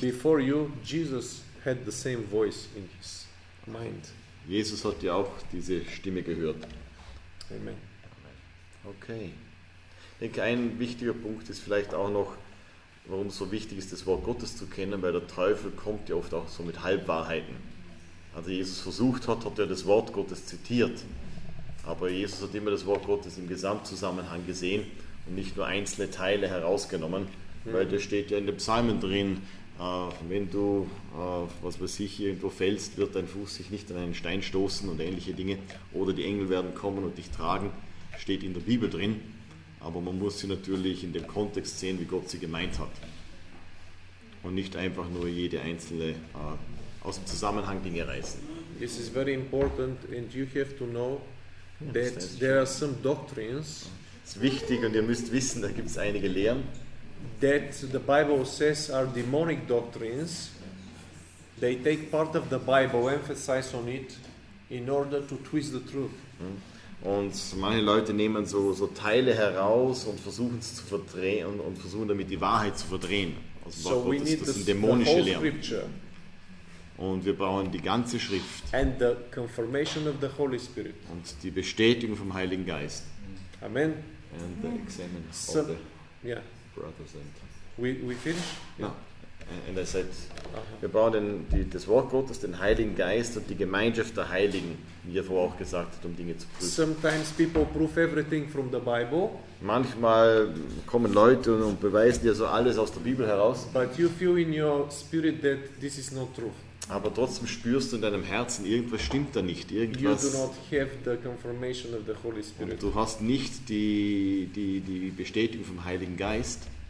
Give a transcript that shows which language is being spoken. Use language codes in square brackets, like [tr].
[en] Before you, Jesus had the same voice in his mind. [de] Jesus hat ja auch diese Stimme gehört. [en] Amen. Okay. [de] Ich denke, ein wichtiger Punkt ist vielleicht auch noch, warum es so wichtig ist, das Wort Gottes zu kennen, weil der Teufel kommt ja oft auch so mit Halbwahrheiten. Als Jesus versucht hat, hat er das Wort Gottes zitiert. Aber Jesus hat immer das Wort Gottes im Gesamtzusammenhang gesehen und nicht nur einzelne Teile herausgenommen, weil da steht ja in den Psalmen drin, wenn du, was weiß ich, irgendwo fällst, wird dein Fuß sich nicht an einen Stein stoßen und ähnliche Dinge, oder die Engel werden kommen und dich tragen, steht in der Bibel drin. Aber man muss sie natürlich in dem Kontext sehen, wie Gott sie gemeint hat. Und nicht einfach nur jede einzelne aus dem Zusammenhang Dinge reißen. [en] This is very important and you have to know that there are some doctrines. [de] Es ist wichtig und ihr müsst wissen, da gibt es einige Lehren. [en] That the Bible says are demonic doctrines. They take part of the Bible, emphasize on it, in order to twist the truth. [de] Und manche Leute nehmen so Teile heraus und versuchen es zu verdrehen und versuchen damit die Wahrheit zu verdrehen. Also [en] so [de] Gott, das sind dämonische Lehren. Und wir brauchen die ganze Schrift. [en] And the confirmation of the Holy Spirit. [de] Und die Bestätigung vom Heiligen Geist. [en] Amen. And the examen so, of the brothers and we finish? Yeah. And I said, [de] wir brauchen das Wort Gottes, den Heiligen Geist und die Gemeinschaft der Heiligen, wie er vorher auch gesagt hat, um Dinge zu prüfen. [en] Sometimes people prove everything from the Bible. [de] Manchmal kommen Leute und beweisen dir so alles aus der Bibel heraus. [en] But you feel in your spirit that this is not true. [de] Aber trotzdem spürst du in deinem Herzen, irgendwas stimmt da nicht. Irgendwas. [en] You do not have the confirmation of the Holy Spirit. [de] Und du hast nicht die Bestätigung vom Heiligen Geist.